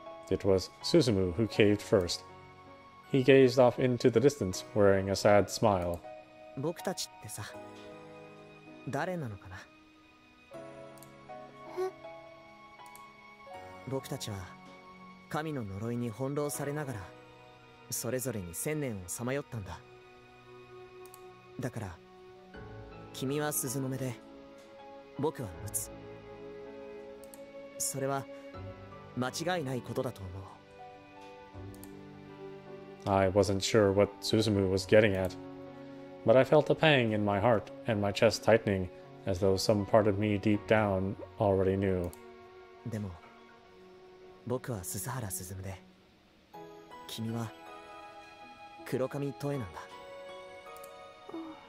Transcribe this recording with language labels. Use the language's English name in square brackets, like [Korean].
[English] It was Suzumu who caved first. He gazed off into the distance, wearing a sad smile. [Japanese] 僕たちってさ、誰なのかな? [English] Huh? [Japanese] 僕たちは 神の呪いに翻弄されながら それぞれに千年をさまよったんだ だから 君は鈴の目で 僕は鬱 それは 間違いないことだと思う [English] I wasn't sure what Suzumu was getting at, but I felt a pang in my heart and my chest tightening, as though some part of me deep down already knew. [Japanese] Demo, boku wa Suzuhara Suzumu de, kimi wa Kurokami Toe nan da.